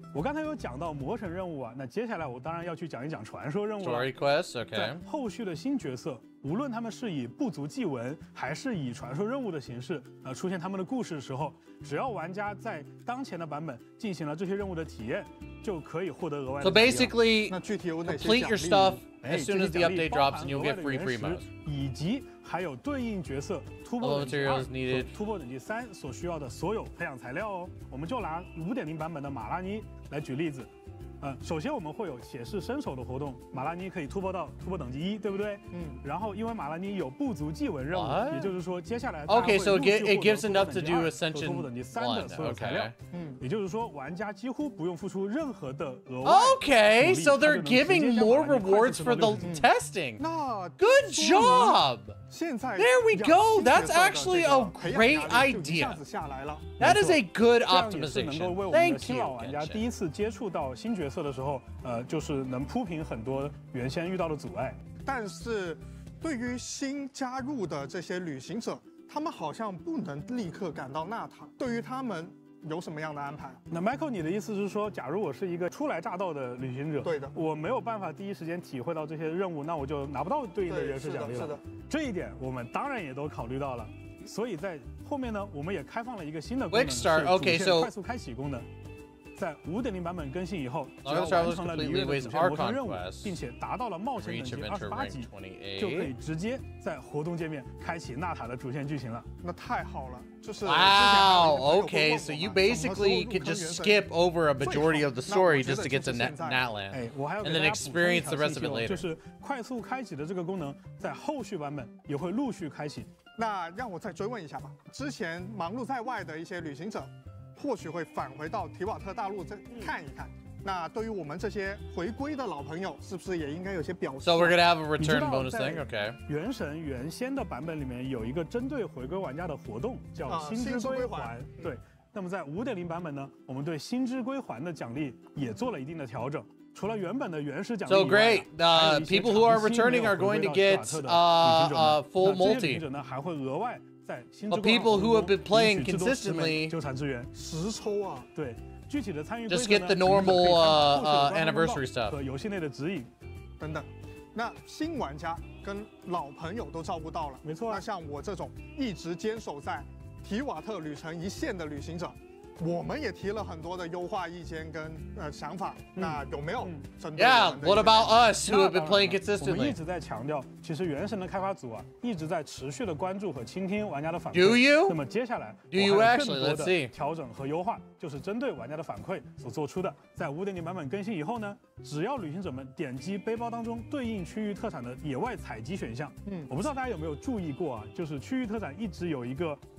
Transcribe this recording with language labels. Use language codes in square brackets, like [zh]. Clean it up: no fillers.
[zh] 我刚才有讲到魔神任务啊，那接下来我当然要去讲一讲传说任务了。 [en] Story quest, OK, [zh] 在后续的新角色无论他们是以部族祭文还是以传说任务的形式、出现他们的故事的时候，只要玩家在当前的版本进行了这些任务的体验，就可以获得额外的体验。 [en] So basically, [zh] 那具体有哪些奖励？ [en] Complete your stuff as soon as the update drops and you'll get free primos. [zh] 以及还有对应角色突破等级二和突破等级三所需要的所有培养材料哦。我们就拿 5.0 版本的马拉尼来举例子。首先我们会有血誓身手的活动，马拉尼可以突破到突破等级一，对不对？嗯。然后因为马拉尼有部族祭文任务，也就是说接下来他会陆续获得突破等级二和突破等级三的所有材料。嗯。也就是说玩家几乎不用付出任何的额外努力。 [en] Okay, so they're giving more rewards for the testing. Good job! There we go! That's actually a great idea. That is a good optimization. Thank you, Genshin. [zh] 角色的时候，就是能铺平很多原先遇到的阻碍。但是，对于新加入的这些旅行者，他们好像不能立刻赶到纳塔。对于他们有什么样的安排？那 Michael， 你的意思是说，假如我是一个初来乍到的旅行者，对的，我没有办法第一时间体会到这些任务，那我就拿不到对应的原石奖励了。是的，这一点我们当然也都考虑到了。所以在后面呢，我们也开放了一个新的功能，是主线快速开启功能。在 5.0 版本更新以后，只要完成了旅行者主线魔神任务，并且达到了冒险等级28级，就可以直接在活动界面开启纳塔的主线剧情了。那太好了，就是 [en] Wow, okay, so you basically can just skip over a majority of the story just to get to Natland, and then experience the rest of it later. [zh] 就是快速开启的这个功能，在后续版本也会陆续开启。那让我再追问一下吧，之前忙碌在外的一些旅行者或许会返回到提瓦特大陆再看一看。那对于我们这些回归的老朋友，是不是也应该有些表示？ [en] So we're gonna have a return bonus thing, okay? [zh] 原神原先的版本里面有一个针对回归玩家的活动，叫星之归环。对。那么在 5.0 版本呢，我们对星之归环的奖励也做了一定的调整。除了原本的原始奖励以外， [en] So great, people who are returning are going to get a full multi. [zh] 这些旅行者呢还会额外。 [en] But people who have been playing consistently, just get the normal anniversary stuff. [zh] 和游戏内的指引等等。那新玩家跟老朋友都照顾到了，没错。那像我这种一直坚守在提瓦特旅程一线的旅行者，我们也提了很多的优化意见跟想法。那有没有针对 [en] ？Yeah, what about us who have been playing consistently? [zh] 我们一直在强调，其实《原神》的开发组啊，一直在持续的关注和倾听玩家的反馈。 [en] Do you? [zh] 那么接下来 [en] ，Do you actually? Let's see. [zh] 调整和优化，就是针对玩家的反馈所做出的。在 5.0 版本更新以后呢，只要旅行者们点击背包当中对应区域特产的野外采集选项，我不知道大家有没有注意过啊，就是区域特产一直有一个。